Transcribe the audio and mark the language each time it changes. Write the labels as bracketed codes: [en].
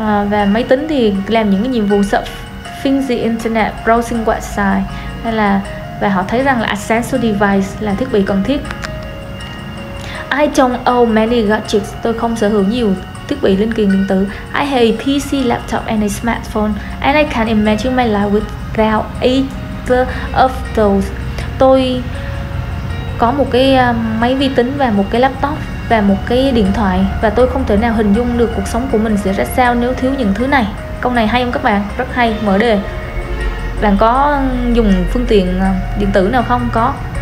[vi] Và máy tính thì làm những cái nhiệm vụ [en] surfing the internet, browsing website, [vi] hay là, và họ thấy rằng là [en] essential device [vi] là thiết bị cần thiết. [en] I don't own many gadgets. [vi] Tôi không sở hữu nhiều thiết bị linh kiện điện tử. [en] I have a PC, laptop and a smartphone, and I can't imagine my life without either of those. [vi] Tôi có một cái máy vi tính và một cái laptop và một cái điện thoại, và tôi không thể nào hình dung được cuộc sống của mình sẽ ra sao nếu thiếu những thứ này. Câu này hay không các bạn? Rất hay, mở đề. Bạn có dùng phương tiện điện tử nào không? Có.